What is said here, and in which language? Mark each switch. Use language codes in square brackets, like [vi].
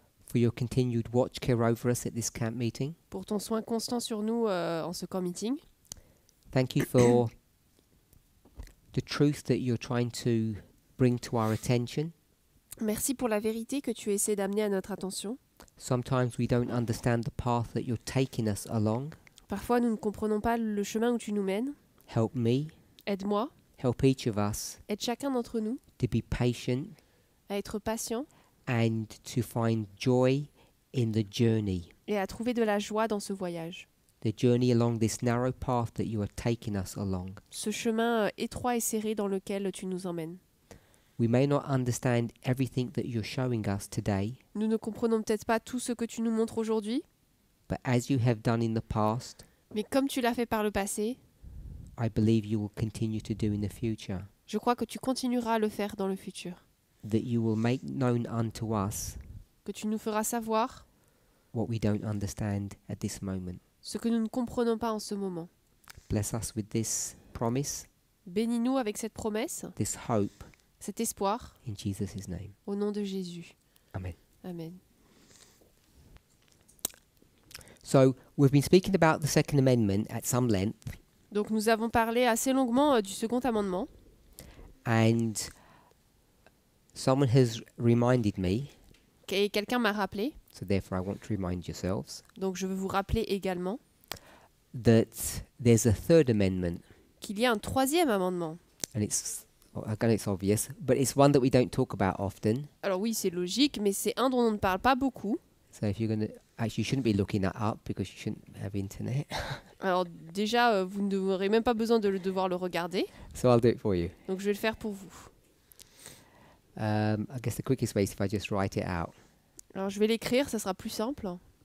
[en] For your continued watch care over us at this camp meeting. [fr] Pour ton soin constant sur nous en ce camp meeting. [en] Thank you for the truth that you're trying to bring to our attention. [fr] Merci pour la vérité que tu essaies d'amener à notre attention. [en] Sometimes we don't understand the path that you're taking us along. [fr] Parfois nous ne comprenons pas le chemin où tu nous mènes. [en] Help me. [fr] Aide-moi. [en] Help each of us. [fr] Aide chacun d'entre nous. [en] To be patient, [fr] à être patient, [en] and to find joy in the journey, [fr] et à trouver de la joie dans ce voyage. [en] The journey along this narrow path that you are taking us along. [fr] Ce chemin étroit et serré dans lequel tu nous emmènes. [en] We may not understand everything that you're showing us today. [fr] Nous ne comprenons peut-être pas tout ce que tu nous montres aujourd'hui. [en] But as you have done in the past, [fr] mais comme tu l'as fait par le passé, [en] I believe you will continue to do in the future. [fr] Je crois que tu continueras à le faire dans le futur. [en] That you will make known unto us [fr] que tu nous feras savoir [en] what we don't understand at this moment. [fr] Ce que nous ne comprenons pas en ce moment. [en] Bless us with this promise. [fr] Bénis-nous avec cette promesse. [en] This hope. [fr] Cet espoir. [en] In Jesus' name. [fr] Au nom de Jésus. [en] Amen. [fr] Amen. [en] So we've been speaking about the Second Amendment at some length. [fr] Donc nous avons parlé assez longuement du Second Amendement. [en] And someone has reminded me. [fr] Et quelqu'un m'a rappelé. [en] So therefore, I want to remind yourselves. [fr] Donc, je veux vous rappeler également. [en] That there's a third amendment. [fr] Qu'il y a un troisième amendement. [en] And it's, again, it's obvious, but it's one that we don't talk about often. [fr] Alors oui, c'est logique, mais c'est un dont on ne parle pas beaucoup. [en] So if you're gonna, actually, you shouldn't be looking that up because you shouldn't have internet. [fr] Alors déjà, vous n'aurez même pas besoin de le devoir le regarder. [en] So I'll do it for you. [fr] Donc je vais le faire pour vous. [en] I guess the quickest way is if I just write it out. [fr] Alors je vais l'écrire, ça sera plus simple.